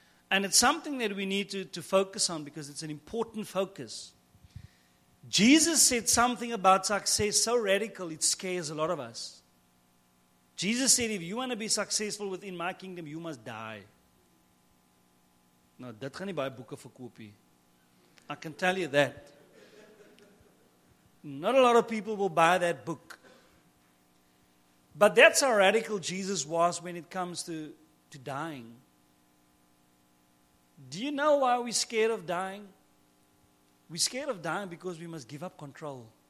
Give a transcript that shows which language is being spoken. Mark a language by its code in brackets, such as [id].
[en] And it's something that we need to focus on because it's an important focus. Jesus said something about success so radical it scares a lot of us. Jesus said, if you want to be successful within my kingdom, you must die. [af] Nou, dit gaan nie baie boeke verkoop nie. [en] I can tell you that. Not a lot of people will buy that book. But that's how radical Jesus was when it comes to dying. Do you know why we're scared of dying? We're scared of dying because we must give up control.